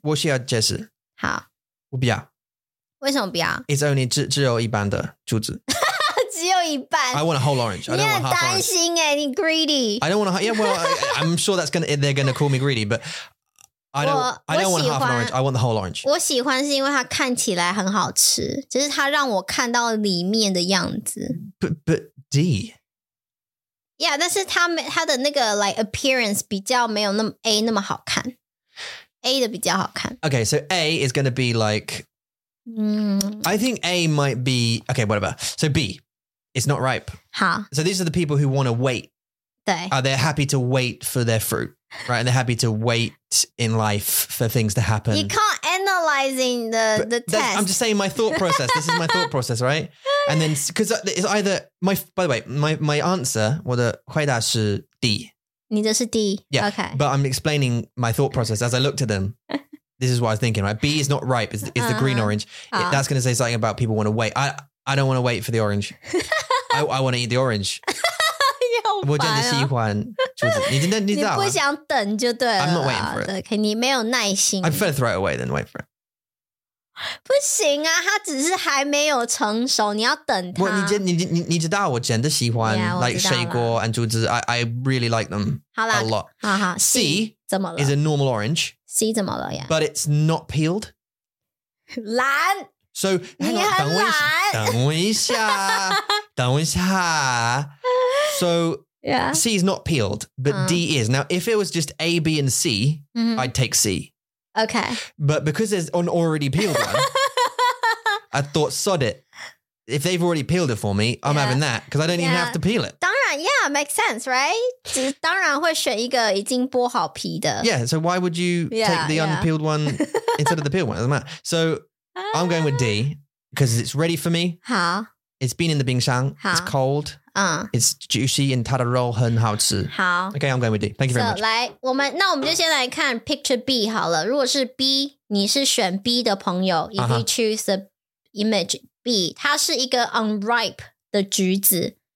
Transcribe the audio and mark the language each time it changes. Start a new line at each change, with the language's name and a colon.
Chinese: 我需要解释。好。我不要。为什么不要? It's only 只有一半的柱子。只有一半。
English: I want a whole orange. I don't want half orange.
Chinese: 你很担心耶，你 greedy.
English: I don't want a half, yeah, well, I'm sure they're going to call me greedy, but... I don't want half an orange, I want the whole orange.
Chinese: 我喜欢是因为它看起来很好吃,就是它让我看到里面的样子。
English: But D?
Chinese: Yeah, 但是它的那个 like appearance 比较没有那么 A 那么好看。A 的比较好看。
English: Okay, so A is going to be like... I think A might be... Okay, whatever. So B, it's not ripe. 好。 So these are the people who want to wait. 对。 They're happy to wait for their fruit. Right, and they're happy to wait in life for things to happen. You can't analyzing the test. I'm just saying my thought process. This is my thought process, right? And then, because it's either, by the way, my answer, 我的回答是 D.
Chinese: 你的是 D.
English: Yeah, okay. But I'm explaining my thought process as I looked at them. This is what I was thinking, right? B is not ripe, it's the green orange. That's going to say something about people want to wait. I don't want to wait for the orange. I want to eat the orange.
Chinese: 我真的喜欢柱子，你真的知道吗？你不想等就对了。
English: I'm not waiting for it.
Chinese: 对，你没有耐心。
English: I prefer to throw it away than wait for it.
Chinese: 不行啊，它只是还没有成熟，你要等它。你知道我真的喜欢
English: yeah, like 水果 and 柱子 I really like them.
Chinese: 好啦
English: a lot.
Chinese: 好 C 怎么了
English: ？Is a normal orange.
Chinese: C 怎么了呀
English: ？But it's not peeled.
Chinese: 懒。
English: So hang on, 等我一下，等我一下。 So yeah. C is not peeled, but D is. Now, if it was just A, B, and C, I'd take C. Okay. But because there's an already peeled one, I thought, sod it. If they've already peeled it for me, I'm having that because I don't even have to peel it. 当然, yeah, makes sense, right?
Chinese: 只是当然会选一个已经剥好皮的。
English: Yeah, so why would you take the unpeeled one instead of the peeled one? It doesn't matter. So I'm going with D because it's ready for me.
Chinese: 好。
English: It's been in the 冰箱.It's cold. It's juicy and 它的肉很好吃.
Chinese: 好.
English: Okay, I'm going with D. Thank you very much.
Chinese: 来，那我们就先来看 picture B 好了。如果是 B, 你是选 B 的朋友, if you choose the image B, 它是一个 unripe 的橘子。